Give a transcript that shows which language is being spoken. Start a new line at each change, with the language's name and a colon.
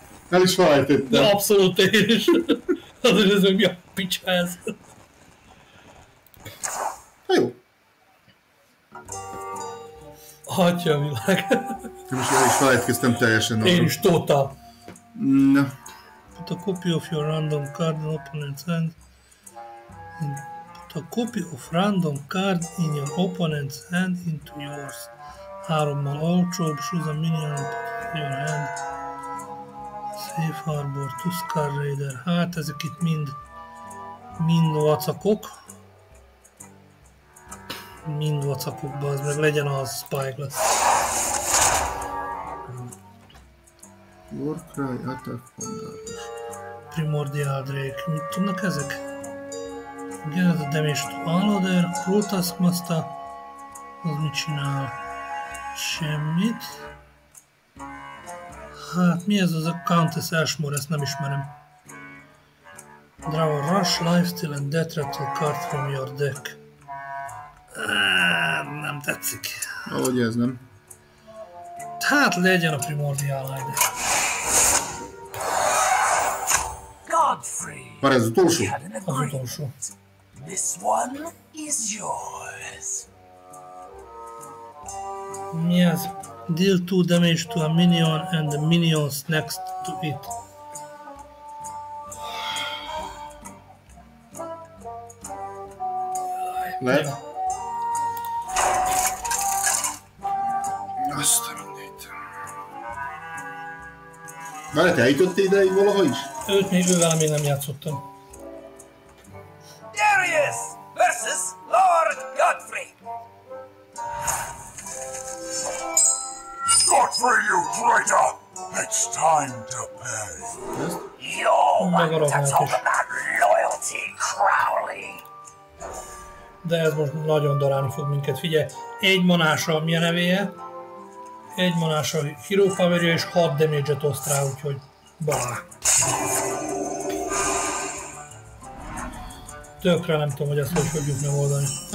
Hungarian: El is felejtettem. De abszolút én is. Azért ez meg mi a picsa ez? Na jó. Atya világ. Most el is felejtkeztem teljesen arra. Én is total. Na.
English: Put a copy of your random card in opponent's hand. A copy of random card in your opponent's hand into yours.
Hungarian: Hárommal olcsó,
English: choose a minion in your hand. Safe Harbor, Tuskar Raider.
Hungarian: Hát ezek itt mind vacakok. Mind vacakok, bazd meg, legyen az Spyglass.
English: Warcry, Attack Commander.
Hungarian: Primordial Drake, mit tudnak ezek? Igen, ez a Damage to Unloader, Cruel Taskmaster, az mit csinál? Semmit. Hát mi ez az a Countess Ashmore, ezt nem ismerem.
English: Draw a Rush, Lifesteal and Death Rattle card from your deck.
Hungarian: Nem tetszik. Ahogy ez nem. Hát legyen a primordial hajde. Godfrey! Már ez utolsó? Az utolsó.
English: This one is yours.
Hungarian: Mi az?
English: Deal 2 damage to a minion and the minions next to it.
Hungarian: Lehet? Azt a mindét. Mert te eljutottél ideig valaha is? Őt még ővel még nem játszottam.
English: Darius versus Lord Godfrey! Godfrey, you traitor! It's time to pay! You're one to talk about loyalty, Crowley!
Hungarian: De ez most nagyon darálni fog minket, figyelj! Egy manása, mi a nevéje? Egy manása Hero Power-ja és 6 damage-et oszt rá, úgyhogy bará. Tökre nem tudom, hogy ezt hogy fogjuk megoldani.